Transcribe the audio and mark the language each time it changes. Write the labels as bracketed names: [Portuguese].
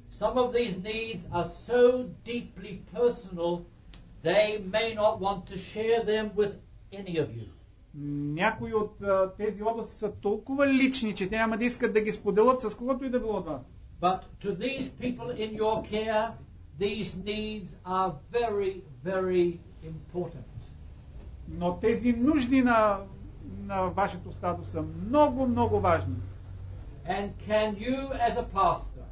[English] Some of these needs are so deeply personal, they may not want to share them with any of you. [Bulgarian] Някои от тези области са толкова лични, че те няма да искат да ги споделят с когото и да било това. [English] But to these people in your care, these needs are very, very important. [Bulgarian] Но тези нужди на вашето стадо са много, много важни. [English] And can you as a pastor?